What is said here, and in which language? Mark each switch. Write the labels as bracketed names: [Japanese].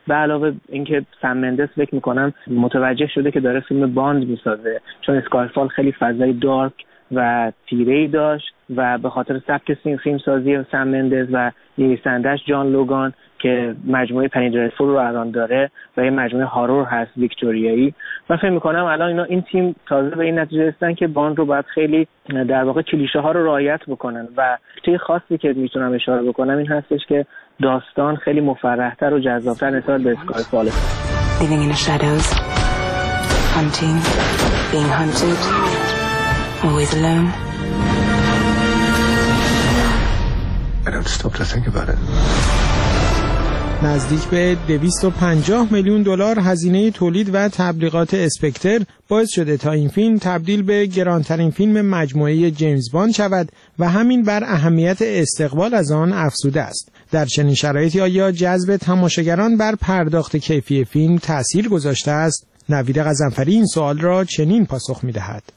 [Persian] به علاوه اینکه سم مندس فکر می‌کنم متوجه شده که داره فیلم باند می‌سازه، چون اسکارفال خیلی فضای دارک و تیره‌ای داشت و به خاطر سبک فیلم سازی سم مندس و نویسنده‌اش جان لوگان که مجموعه پنیدرفول رو الان داره و یه مجموعه هارور هست ویکتوریایی، من فکر میکنم الان اینا این تیم تازه به این نتیجه رسیدن که باند رو باید خیلی در واقع کلیشه ها رو رعایت بکنن. و چیز خاصی که میتونم اشاره بکنم این هستش که داستان خیلی مفرح‌تر و جذاب‌تر نسبت به اسکارفال. [English] Living in the shadows, hunting, being hunted, always alone. I don't stop to think about it. [Persian] نزدیک به 250 میلیون دلار هزینه تولید و تبلیغات اسپکتر باعث شده تا این فیلم تبدیل به گرانترین فیلم مجموعه جیمز باند شود و همین بر اهمیت استقبال از آن افزوده است. در چنین شرایطی آیا جذب تماشاگران بر پرداخت کیفی فیلم تأثیر گذاشته است؟ نوید غضنفری این سوال را چنین پاسخ می‌دهد: